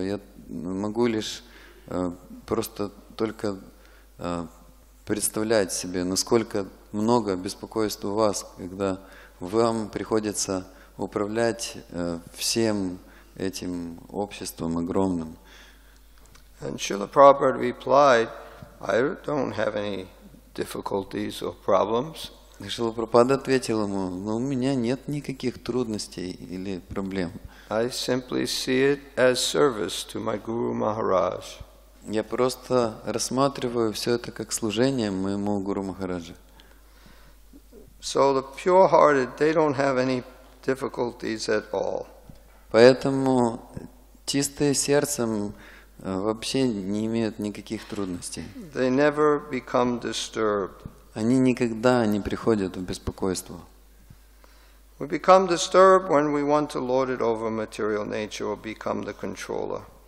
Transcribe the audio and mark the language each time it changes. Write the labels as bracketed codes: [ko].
[ru] Я могу лишь просто только представлять себе, насколько много беспокойств у вас, когда вам приходится управлять всем этим обществом огромным. [en] And Srila Prabhupada replied, I don't have any difficulties or problems. [ru] Шрила Прабхупада ответил ему, но у меня нет никаких трудностей или проблем. [en] I simply see it as service to my Guru Maharaj. [ru] Я просто рассматриваю все это как служение моему Гуру Махараджу. [en] So the pure-hearted, they don't have any difficulties at all. [ru] Поэтому чистые сердцем вообще не имеют никаких трудностей. [en] They never become disturbed. [ru] Они никогда не приходят в беспокойство. [en] We become disturbed when we want to lord it over material nature or become the controller.